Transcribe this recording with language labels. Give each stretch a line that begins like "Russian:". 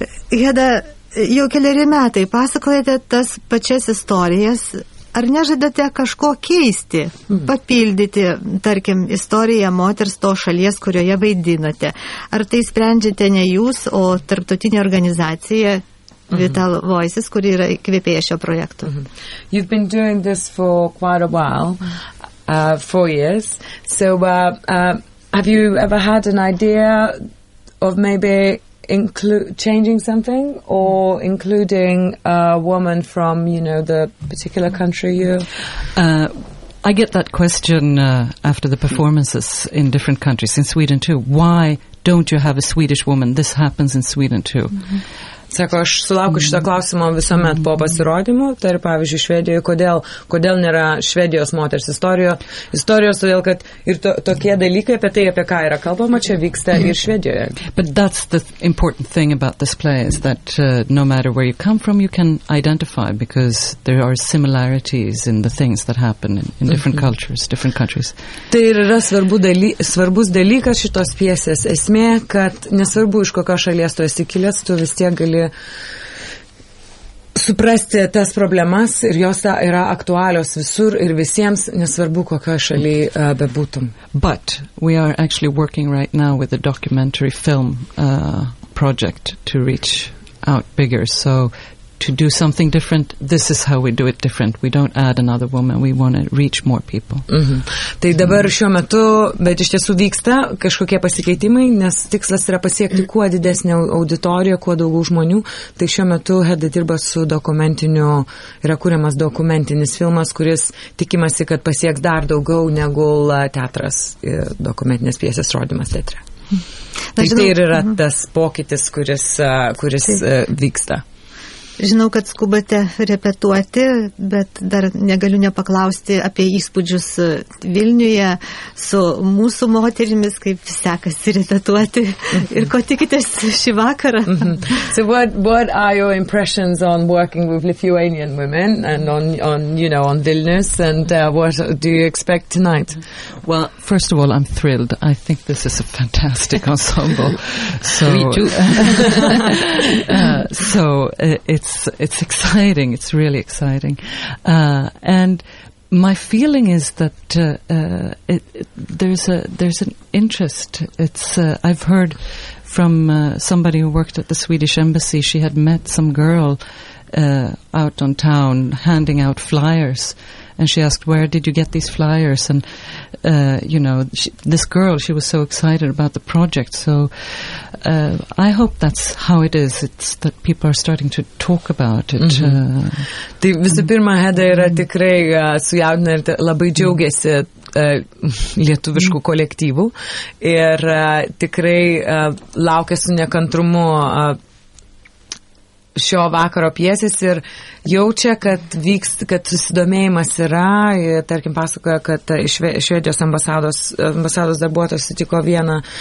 Lithuanian: Heda, jau keleri metai pasakojate tas pačias istorijas. Ar nežadate kažko keisti, papildyti, tarkim, istoriją moters to šalies, kurioje vaidinate? Ar tai sprendžiate ne jūs, o tarptautinė organizacija? Vital Voices, kuri yra įkvėpėja šio projektu.
English: You've been doing this for quite a while. 4 years. So have you ever had an idea of maybe changing something or including a woman from, you know, the particular country you... I get that question after the performances in different countries, in Sweden too. Why don't you have a Swedish woman? This happens in Sweden too.
Lithuanian: Sako, aš sulaukiu šitą klausimą visuomet po pasirodymu, tai yra pavyzdžiui Švedijoje, kodėl nėra Švedijos moters istorijos, todėl kad ir tokie dalykai apie tai, apie ką yra kalbama, čia vyksta ir Švedijoje.
English: But that's the important thing about this play is that no matter where you come from, you can identify because there are similarities in the things that happen in different cultures, different countries.
Lithuanian: Tai yra svarbus dalykas šitos pjesės esmė, kad nesvarbu iš kokios šalies tu esi kilęs, tu vis tiek gali suprasti tas problemas ir jos yra aktualios visur ir visiems, nesvarbu, kokio šaly bebūtum.
English: But we are actually working right now with a documentary film project to reach out bigger. So to do something different, this is how we do it different. We don't add another woman. We want to reach more people.
Lithuanian: Tai dabar šiuo metu, bet iš tiesų vyksta kažkokie pasikeitimai, nes tikslas yra pasiekti kuo didesnę auditoriją, kuo daugiau žmonių. Tai šiuo metu Heda dirba su dokumentiniu, yra kuriamas dokumentinis filmas, kuris tikimasi, kad pasieks dar daugiau negu teatras, dokumentinės pjesės rodymas teatre. Tai ir yra tas pokytis, kuris vyksta. Žinau, kad skubate repetuoti, bet dar negaliu nepaklausti apie įspūdžius Vilniuje su mūsų moterimis, kaip sekasi repetuoti ir ko tikitės šį vakarą.
English: So what are your impressions on working with Lithuanian women and on you know on Vilnius and what do you expect tonight? Well, first of all, I'm thrilled. I think this is a fantastic ensemble. So it's exciting, it's really exciting. And my feeling is that there's an interest. I've heard from somebody who worked at the Swedish embassy, she had met some girl out on town handing out flyers. And she asked, where did you get these flyers? And, you know, this girl was so excited about the project. So I hope that's how it is. It's that people are starting to talk about it. Mm-hmm.
Lithuanian: Tai visų pirma, Heda yra tikrai sujaudina ir labai džiaugiasi lietuviškų kolektyvų. Ir tikrai laukia su nekantrumu šio vakaro pjesės ir jaučia, kad vyks, kad susidomėjimas yra, ir tarkim pasakoja, kad Švedijos ambasados darbuotojas sutiko vieną